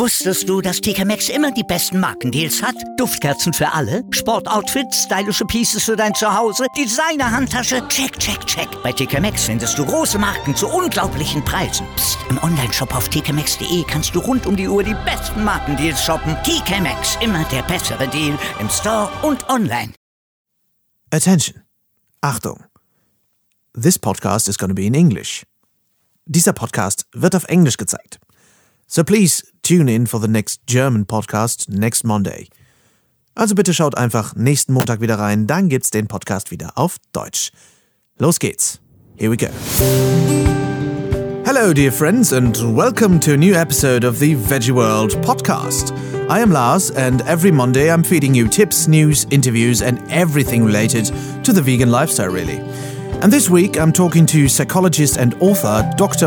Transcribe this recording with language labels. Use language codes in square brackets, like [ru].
[de] Wusstest du, dass TK Maxx immer die besten Markendeals hat? Duftkerzen für alle, Sportoutfits, stylische Pieces für dein Zuhause, Designer-Handtasche, check, check, check. Bei TK Maxx findest du große Marken zu unglaublichen Preisen. Psst. Im Onlineshop auf tkmaxx.de kannst du rund um die Uhr die besten Markendeals shoppen. TK Maxx, immer der bessere Deal im Store und online. [en] Attention. [de] Achtung. [en] This podcast is going to be in English. [de] Dieser Podcast wird auf Englisch gezeigt. [en] So please tune in for the next German podcast next Monday. [de] Also bitte schaut einfach nächsten Montag wieder rein, dann gibt's den Podcast wieder auf Deutsch. Los geht's. [en] Here we go. Hello dear friends and welcome to a new episode of the Veggie World podcast. I am Lars and every Monday I'm feeding you tips, news, interviews and everything related to the vegan lifestyle really. And this week I'm talking to psychologist and author Dr.